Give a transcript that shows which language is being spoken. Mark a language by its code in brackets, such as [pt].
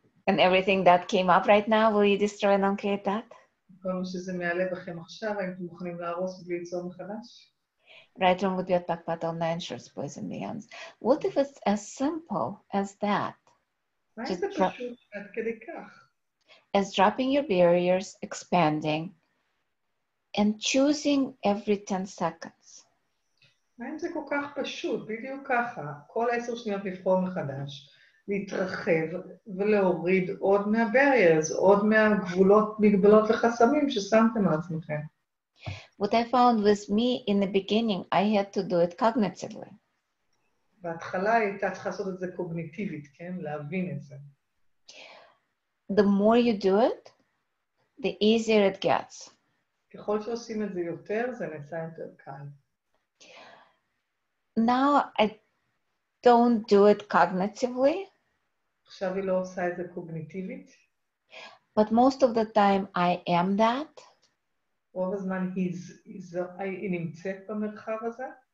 [en] And everything that came up right now, will you destroy and uncreate that? [he] כל מה שזה מעלה בכם עכשיו, האם אתם מוכנים להרוס בלי ליצור מחדש? [en] Right wrong would be a pack battle, nine shirts, boys and beyonds. What if it's as simple as that? [he] מה זה פשוט עד כדי כך? [en] As dropping your barriers, expanding, and choosing every 10 seconds. [he] מה אם זה כל כך פשוט, בדיוק ככה, כל 10 שניות לבחור מחדש, להתרחב ולהוריד עוד מהבריירס, עוד מהגבולות, מגבלות וחסמים ששמתם על עצמכם. [en] What I found with me in the beginning, I had to do it cognitively. [he] בהתחלה הייתה צריכה לעשות את זה קוגניטיבית, כן? להבין את זה. [en] The more you do it, the easier it gets. [he] ככל שעושים את זה יותר, זה נעשה יותר קל. [en] Now I don't do it cognitively. [he] עכשיו היא לא עושה את זה קוגניטיבית. [en] But most of the time I am that. [he] רוב הזמן היא נמצאת במרחב הזה.